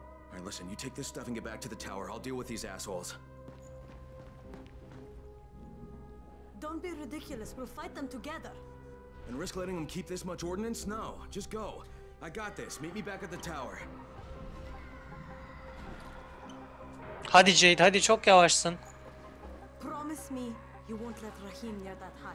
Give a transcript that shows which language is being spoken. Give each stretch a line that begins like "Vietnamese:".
English: Alright, listen, you take this stuff and get back to the tower. I'll deal with these assholes. Don't be ridiculous. We'll fight them together. And risk letting them keep this much ordnance? No. Just go. I got this. Meet me back at the tower.
Turkish: Hadi Jade, hadi, çok yavaşsın.
English: Promise me you won't let Rahim near that hut.